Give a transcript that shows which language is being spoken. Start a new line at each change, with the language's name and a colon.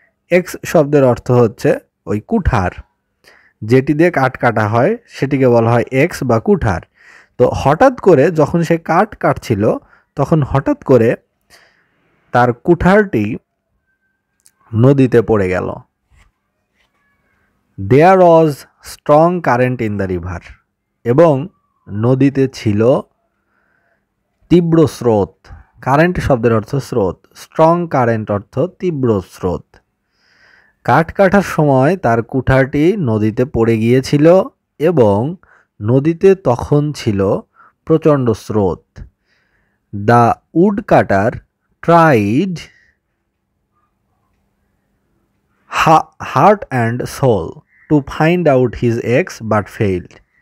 Bangla: X শব্দের অর্থ হচ্ছে ওই কুঠার, যেটি দিয়ে কাঠ কাটা হয় সেটিকে বলা হয় এক্স বা কুঠার। তো হঠাৎ করে যখন সে কাঠ কাটছিল, তখন হঠাৎ করে তার কুঠারটি নদীতে পড়ে গেল।
English: There was strong current in the river,
Bangla: এবং নদীতে ছিল তীব্র স্রোত। কারেন্ট শব্দের অর্থ স্রোত, স্ট্রং কারেন্ট অর্থ তীব্র স্রোত। কাঠ কাটার সময় তার কুঠারটি নদীতে পড়ে গিয়েছিল এবং নদীতে তখন ছিল প্রচণ্ড স্রোত।
English: The wood cutter tried heart and soul to find out his axe but failed.